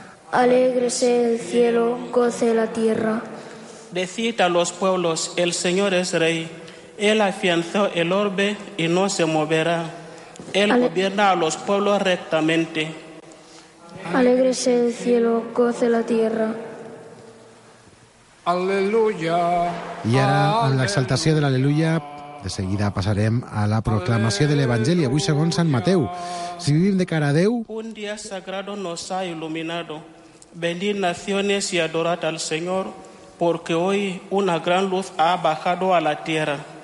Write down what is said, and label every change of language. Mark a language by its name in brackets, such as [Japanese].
[Spanish] Alégrese el cielo, goce la tierra. Decid a los pueblos, el Señor es rey. Él afianzó el orbe y no se moverá. Él gobierna a los pueblos rectamente. Alégrese el cielo, goce la tierra. Aleluya. Y ahora, en la exaltación de la aleluya, [Catalan] de seguida passarem a la proclamació de l'Evangeli, avui segons Sant Mateu. Si vivim de cara a Déu... [Spanish] Un dia sagrado nos ha iluminado. Venid naciones y adorad al Señor, porque hoy una gran luz ha bajado a la tierra.